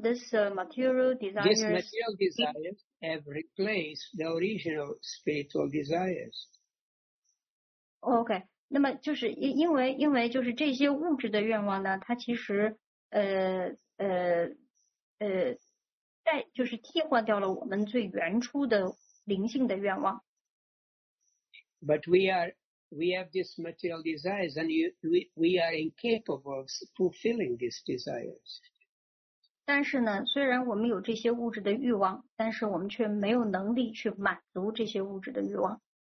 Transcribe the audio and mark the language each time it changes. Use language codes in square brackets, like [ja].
[en] these material desires have replaced the original spiritual desires. [zh] Okay, 那么就是因为就是这些物质的愿望呢，它其实代就是替换掉了我们最原初的灵性的愿望。 [en] But we have these material desires, and we are incapable of fulfilling these desires. [zh] 但是呢，虽然我们有这些物质的欲望，但是我们却没有能力去满足这些物质的欲望。